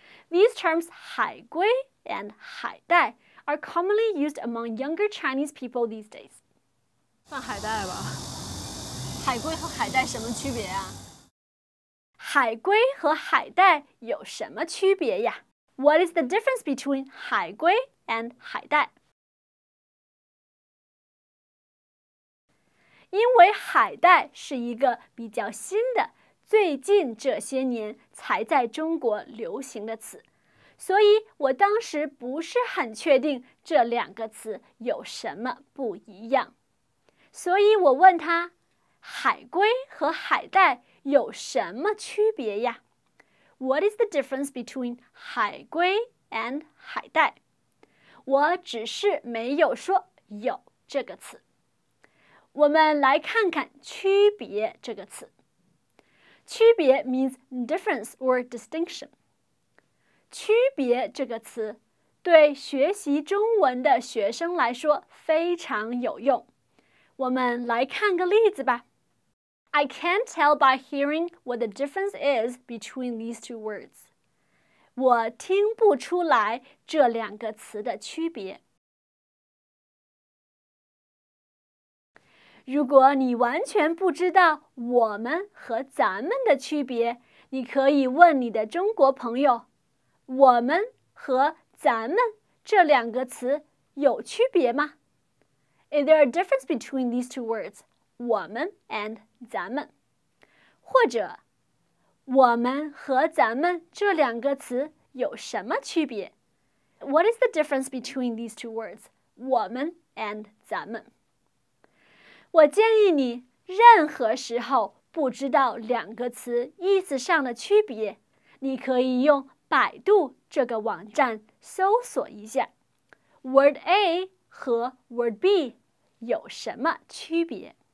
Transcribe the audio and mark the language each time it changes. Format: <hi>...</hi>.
<en>These terms 海龟 and 海带are commonly used among younger Chinese people these days.</en> <zh>算海带吧。海龟和海带什么区别呀？海龟和海带有什么区别呀？</zh> <en>What is the difference between 海龟 and 海带？</en> <zh>因为海带是一个比较新的，最近这些年才在中国流行的词，所以我当时不是很确定这两个词有什么不一样。所以我问他，海龟和海带有什么区别呀？</zh> <en>What is the difference between 海龟 and 海带？</en> <zh>我只是没有说有这个词。我们来看看区别这个词。</zh> <en>区别 means difference or distinction.</en> <zh>区别这个词对学习中文的学生来说非常有用。我们来看个例子吧。</zh> <en>I can't tell by hearing what the difference is between these two words.</en> <zh>我听不出来这两个词的区别。如果你完全不知道我们和咱们的区别，你可以问你的中国朋友，我们和咱们这两个词有区别吗？</zh> <en>Is there a difference between these two words,</en> <zh>我们 and 咱们。或者我们和咱们这两个词有什么区别?</zh> <en>What is the difference between these two words?</en> <zh>我们 and 咱们。我建议你任何时候不知道两个词意思上的区别,你可以用百度这个网站搜索一下。 Word A 和 Word B 有什么区别?</zh>